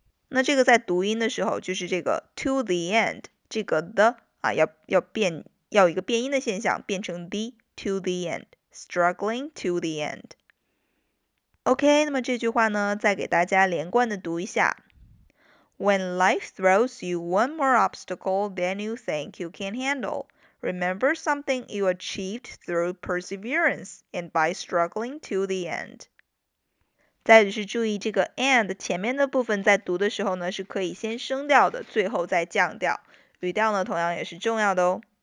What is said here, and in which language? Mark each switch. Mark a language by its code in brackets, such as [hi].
[zh] 那这个在读音的时候，就是这个 to the end， 这个 the 啊，要一个变音的现象，变成 the to the end， struggling to the end。 OK， 那么这句话呢，再给大家连贯的读一下。 [en] When life throws you one more obstacle than you think you can handleRemember something you achieved through perseverance and by struggling to the end. [zh] 再就是注意这个 and 前面的部分在读的时候呢，是可以先升调的，最后再降调，语调呢同样也是重要的哦。